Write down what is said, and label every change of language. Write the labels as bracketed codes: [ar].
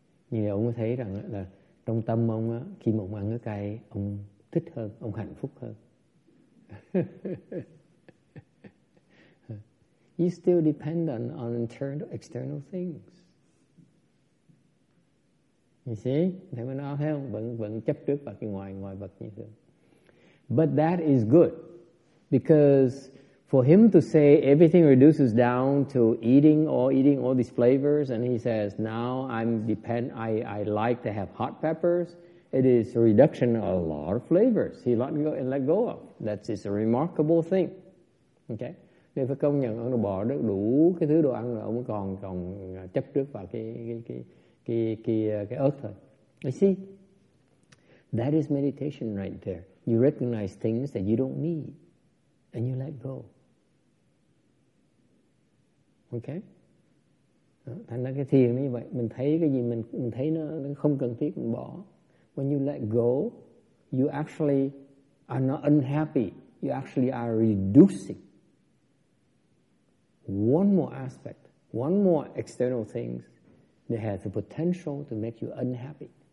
[vi] Nhưng mà ông có thấy rằng là trong tâm ông, khi mà ông ăn ức cày, ông thích hơn, ông hạnh phúc hơn. [en] You still dependent on external things. You see, [vi] thầy mới nói thấy không, vẫn chấp trước vào cái ngoài vật như thường. [en] But that is good, because for him to say everything reduces down to eating all these flavors, and he says now I like to have hot peppers. It is a reduction of a lot of flavors. He let go of. That's it's a remarkable thing. [vi] Okay, nên phải công nhận ông bỏ được đủ cái thứ đồ ăn rồi ông còn chấp trước vào cái ớt thôi. [en] You see, that is meditation right there. You recognize things that you don't need, and you let go. Okay? [vi] Thành ra cái thiền như vậy, mình thấy cái gì mình thấy nó không cần thiết mình bỏ. [en] When you let go, you actually are not unhappy. You actually are reducing one more aspect, one more external things. They have the potential to make you unhappy.